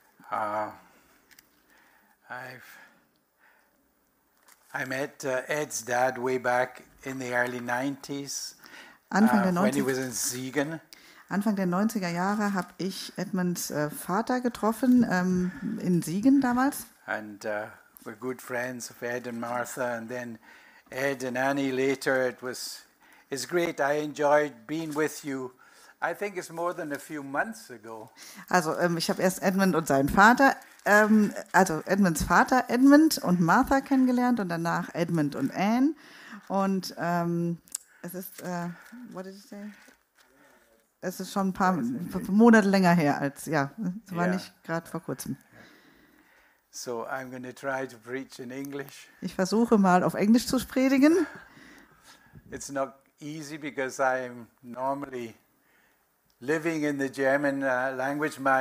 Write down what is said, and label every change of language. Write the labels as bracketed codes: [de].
[en] I met Ed's dad way back in the early 90s. [de] Anfang der 90er, [en] when he was in Siegen. [de] Anfang der 90er Jahre habe ich Edmunds Vater getroffen in Siegen damals. [en] And we're good friends of Ed and Martha, and then Ed and Annie later. It's great. I enjoyed being with you. I think it's more than a few months ago. [de] Also ich habe erst Edmund und seinen Vater, also Edmunds Vater Edmund und Martha kennengelernt und danach Edmund und Anne. Und es ist, [en] what did you say? [de] Es ist schon ein paar Monate länger her als, ja, es war nicht gerade vor kurzem. [en] So I'm going to try to preach in English. [de] Ich versuche mal auf Englisch zu predigen. [en] It's not easy because I'm normally living in the German language.